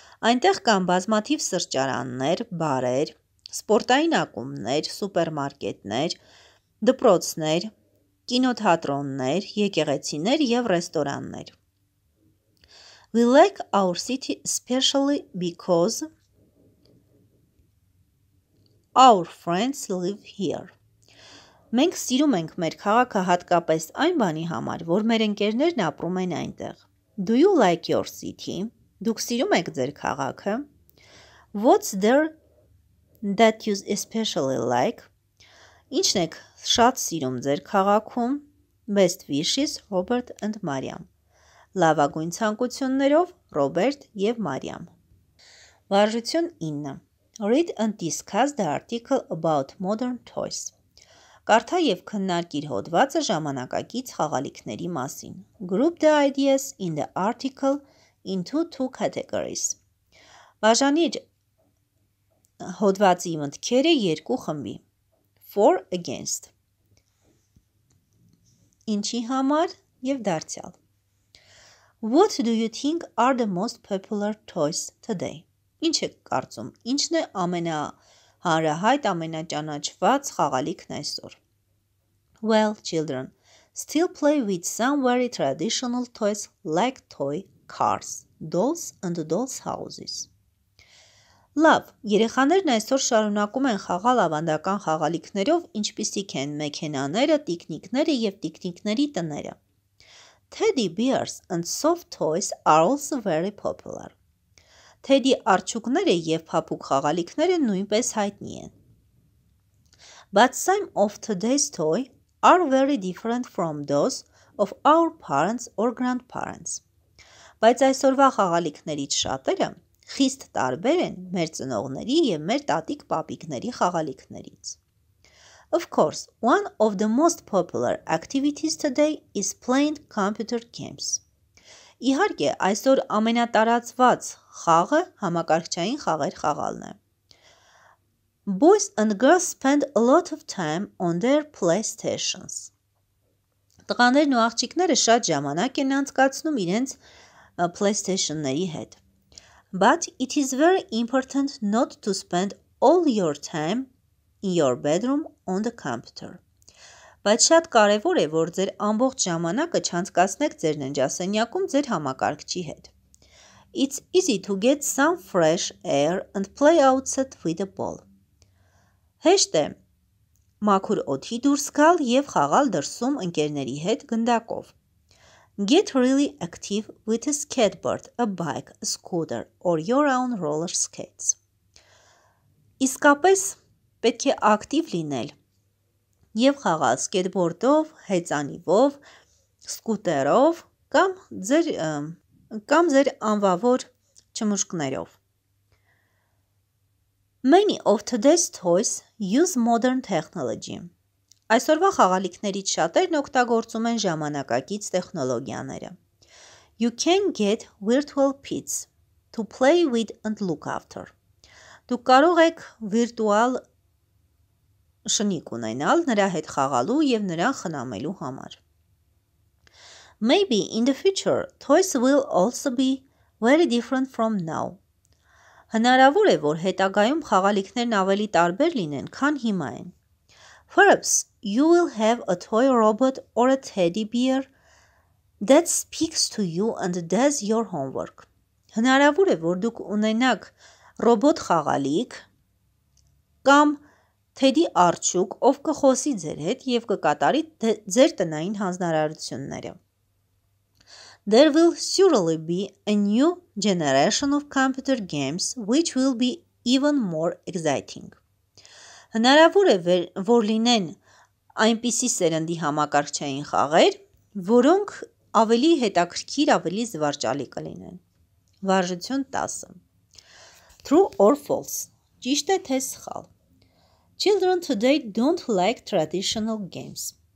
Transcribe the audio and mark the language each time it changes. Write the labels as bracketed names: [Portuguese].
[Armenian] Այնտեղ կան բազմաթիվ սրճարաններ, բարեր, սպորտային ակումբներ, սուպերմարկետներ, դպրոցներ, կինոթատրոններ, եկեղեցիներ և ռեստորաններ. [English] We like our city especially because our friends live here. [Armenian] Մենք սիրում ենք մեր քաղաքը հատկապես այն բանի համար, որ մեր ընկերներն ապրում են այնտեղ. [English] Do you like your city? [Armenian] Դուք սիրում եք ձեր քաղաքը? [English] What's there that you especially like? [Armenian] Ինչն եք շատ սիրում ձեր քաղաքում? [English] Best wishes, Robert and Mariam. [Armenian] Լավագույն ցանկություններով, Robert և Mariam. Վարժություն 9. [English] Read and discuss the article about modern toys. [Armenian] Կարդա և քննարկիր հոդվածը ժամանակակից խաղալիքների մասին. [English] Group the ideas in the article into two categories. [Armenian] Բաժանիր հոդվածի մտքերը երկու խմբի. [English] For, against. [Armenian] Ինչի համար և դարձյալ. [English] What do you think are the most popular toys today? [Armenian] Ինչ է կարծում, ինչն է ամենահանրահայտ, ամենաճանաչված խաղալիքն այսօր? [English] Well, children, still play with some very traditional toys like toy cars, dolls and dolls houses. [Armenian] Լավ, երեխաներն այսօր շարունակում են խաղալ ավանդական խաղալիքներով, ինչպիսիք են մեքենաները, տիկնիկները և տիկնիկների տները. [English] Teddy bears and soft toys are also very popular. [Armenian] Teddy արջուկները և փափուկ խաղալիքները նույնպես հայտնի են. [English] But some of today's toys are very different from those of our parents or grandparents. [Armenian] Բայց այսօրվա խաղալիքներից շատերը խիստ տարբեր են մեր ծնողների և մեր տատիկ պապիկների խաղալիքներից. [English] Of course, one of the most popular activities today is playing computer games. [Armenian] Իհարկե, այսօր ամենատարածված խաղը համակարգչային խաղեր խաղալն է. [English] Boys and girls spend a lot of time on their PlayStations. [Armenian] Տղաներն ու աղջիկները շատ ժամանակ են անցկացնում իրենց PlayStation-ների հետ. [English] But it is very important not to spend all your time in your bedroom on the computer. [Armenian] Բայց շատ կարևոր է, որ ձեր ամբողջ ժամանակը չանցկացնեք ձեր ննջասենյակում ձեր համակարգչի հետ. [English] It's easy to get some fresh air and play outside with the ball. [Armenian] Հեշտ է մաքուր օդի դուրս գալ և խաղալ դրսում ընկերների հետ գնդակով. [English] Get really active with a skateboard, a bike, a scooter or your own roller skates. [Armenian] Իսկապես պետք է ակտիվ լինել և խաղալ սկետբորդով, հեծանիվով, սկուտերով կամ ձեր անվավոր չմուշկներով. [English] Many of today's toys use modern technology. [Armenian] Այսօրվա խաղալիքներից շատերն օգտագործում են ժամանակակից տեխնոլոգիաները. [English] You can get virtual pets to play with and look after. [Armenian] Դուք կարող եք վիրտուալ շնիկ ունենալ նրա հետ խաղալու և նրա խնամելու համար. [English] Maybe in the future toys will also be very different from now. [Armenian] Հնարավոր է, որ հետագայում խաղալիքներն ավելի տարբեր լինեն, քան հիմա են. [English] Perhaps you will have a toy robot or a teddy bear that speaks to you and does your homework. [Armenian] Հնարավոր է, որ դուք ունենաք ռոբոտ խաղալիք կամ թեդի արջուկ, ով կխոսի ձեր հետ և կկատարի ձեր տնային հանձնարարությունները. [English] There will surely be a new generation of computer games which will be even more exciting. [Armenian] Հնարավոր է, որ լինեն այնպիսի սերնդի համակարգչային խաղեր, որոնք ավելի հետաքրքիր, ավելի զվարճալի կլինեն. Վարժություն 10. [English] True or false? [Armenian] Ճիշտ է, թե սխալ? [English] Children today don't like traditional games.